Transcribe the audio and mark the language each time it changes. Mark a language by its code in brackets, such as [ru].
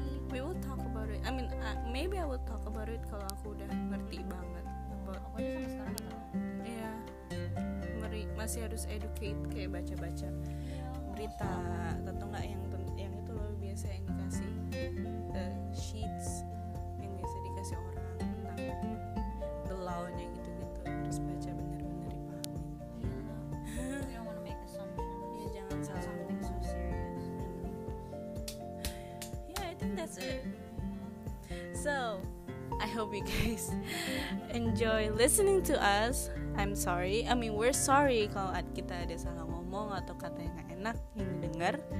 [en] We will talk about it. I mean, maybe I will talk about it [id] kalau aku udah ngerti banget. [en] But [id] aku aja sama sekarang nggak tahu. Iya. Masih harus educate, kayak baca-baca berita atau nggak yang itu loh biasa yang dikasih [en] the sheets [id] yang biasa dikasih orang tentang the law-nya gitu-gitu, harus baca benar-benar dipahami. [en] Yeah, no. You don't want to make assumptions. Yeah, [id] jangan salah. [en] Something so serious. Yeah, I think that's it. So I hope you guys enjoy listening to us. I'm sorry. I mean, we're sorry [id] kalau kita ada salah ngomong atau kata yang gak enak yang didengar.